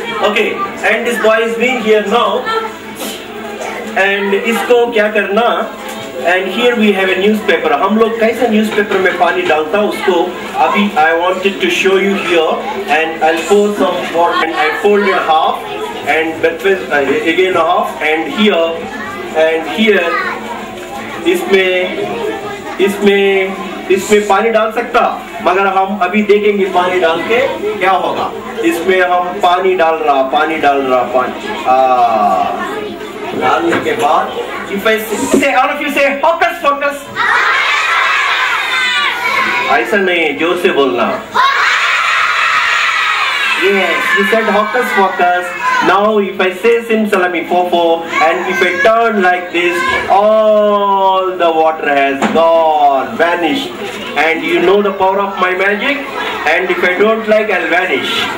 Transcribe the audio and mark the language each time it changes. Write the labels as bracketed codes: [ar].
[en] Okay, and this boy is being here now and [hi] isko kya karna. [en] And here we have a newspaper. [hi] हम लोग कैसे newspaper में पानी डालता हूँ उसको अभी [en] I wanted to show you here and I'll fold some water and I fold it half and that was again a half, and here, [hi] and here, इसमें पानी डाल सकता, मगर हम अभी देखेंगे पानी डाल के क्या होगा. इसमें हम पानी डाल रहा पानी डालने के बाद [en] if I say all of you say focus focus, [hi] ऐसा नहीं जोर से बोलना. [en] Yes, you said hocus pocus. Now if I say sim salami popo and if I turn like this, all the water has gone, vanished. And you know the power of my magic? And if I don't like, I'll vanish.